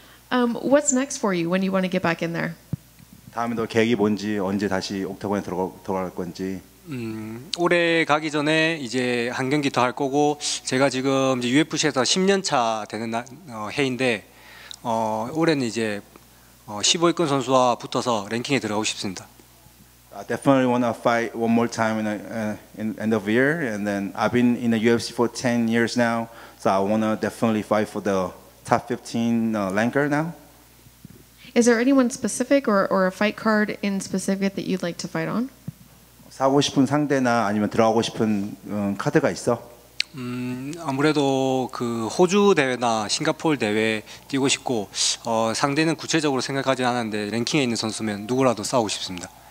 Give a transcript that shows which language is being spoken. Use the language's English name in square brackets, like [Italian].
[English] What's next for you when you want to get back in there? [Korean] 다음에 너 계획이 뭔지 언제 다시 옥타곤에 돌아갈 건지. 올해 가기 전에 이제 한 경기 더 할 거고 제가 지금 이제 UFC에서 10년 차 되는 해인데 올해는 이제 15위권 선수와 붙어서 랭킹에 들어가고 싶습니다. [English] I definitely want to fight one more time in end of year, and then I've been in the UFC for 10 years now, so I want to definitely fight for the top 15 ranker now. Is there anyone specific or a fight card in specific that you'd like to fight on? [Korean] 사고 싶은 상대나 아니면 들어가고 싶은 카드가 있어? 아무래도 그 호주 대회나 싱가포르 대회 뛰고 싶고 상대는 구체적으로 생각하지는 않았는데 랭킹에 있는 선수면 누구라도 싸우고 싶습니다.